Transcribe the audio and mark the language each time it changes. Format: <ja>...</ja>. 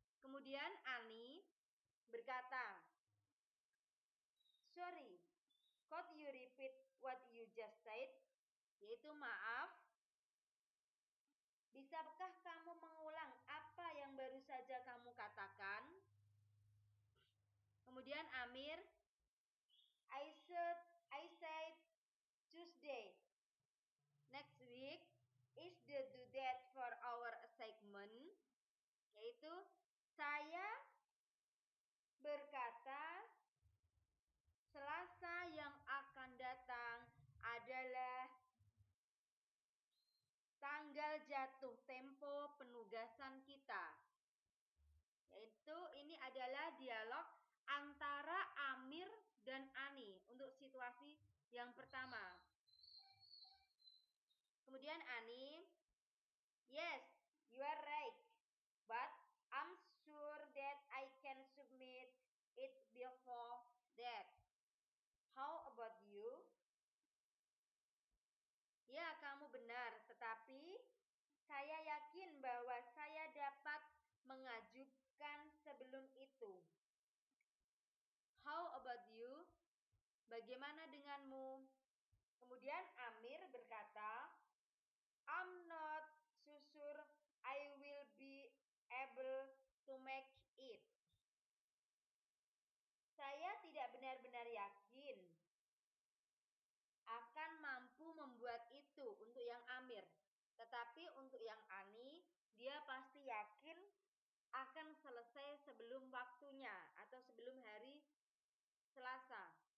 <id>Kemudian Ani berkata,</id> <en>sorry, could you repeat what you just said?</en> <id>Yaitu maaf, bisakah kamu mengulang apa yang baru saja kamu katakan? Kemudian</id> <en>Amir, I said Tuesday next week is the due date for our assignment.</en> <id>Yaitu saya berkata Selasa yang akan datang adalah tanggal jatuh tempo penugasan kita. Yaitu ini adalah dialog antara Amir dan Ani untuk situasi yang pertama. Kemudian</id> <en>Ani, yes, you are right, but I'm sure that I can submit it before that. How about you?</en> <id>Ya, kamu benar, tetapi saya yakin bahwa saya dapat mengajukan sebelum itu.</id> <en>How about you?</en> <id>Bagaimana denganmu? Kemudian Amir berkata,</id> <en>I'm not so sure I will be able to make it.</en> <id>Saya tidak benar-benar yakin akan mampu membuat itu untuk yang Amir. Tetapi untuk yang Ani, dia pasti yakin akan selesai sebelum waktunya atau sebelum hari Selasa.</id>